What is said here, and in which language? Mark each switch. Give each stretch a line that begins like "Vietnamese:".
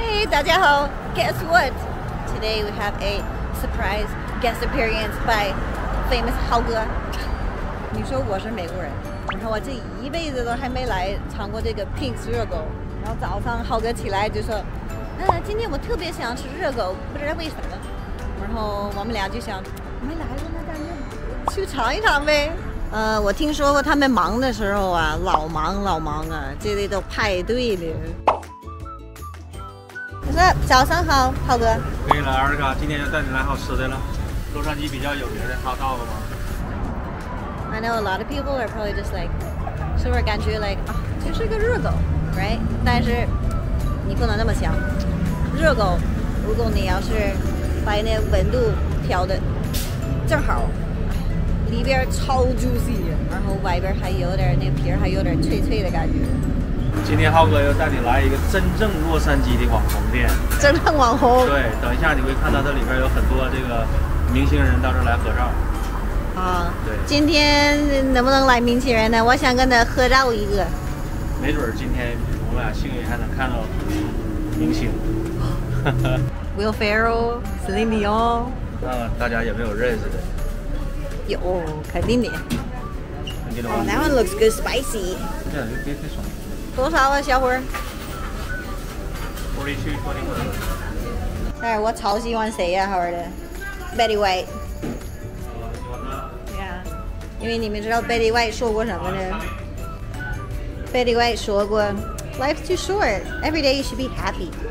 Chinese: 大家好，
English: guess what? Today we have a surprise guest appearance by famous 浩哥。
Chinese: 你说我是美国人，然后我这一辈子都还没来尝过这个 pink 热狗。然后早上浩哥起来就说，今天我特别想吃热狗，不知道为什么。然后我们俩就想，没来过那家店，去尝一尝呗。我听说过他们忙的时候啊，老忙老忙啊，这里都派对的。早上好，浩哥。可以了，二哥，今天要带你来好吃的了。洛杉矶比较有名的 hot dog 吗
English: ？I know a lot of people are probably just like，
Chinese: 是不是感觉
English: like 啊，
Chinese: 就是个热狗
English: ，right？
Chinese: 但是你不能那么想，热狗如果你要是把那温度调的正好，里边超 juicy， 然后外边还有点那皮还有点脆脆的感觉。今天浩哥又带你来一个真正洛杉矶的网红店。真正网红。对，等一下你会看到这里边有很多这个明星人到这来合照。啊。对。今天能不能来明星人呢？我想跟他合照一个。没准今天我们俩幸运还能看到明星。 Will Ferrell、Celine Dion。那大家有没有认识的？有，肯定的。你给我。
English: Oh, that one looks good, spicy.
Chinese: 这样就别太爽。多少啊，小伙儿？ 42, 21。哎，我超喜欢谁呀、啊，好玩的 ，Betty White。喜欢的。
English: Yeah。
Chinese: 因为你们知道
English: Betty White
Chinese: 说过什么呢
English: ？Betty White
Chinese: 说过
English: ，Life's too short. Every day you should be happy.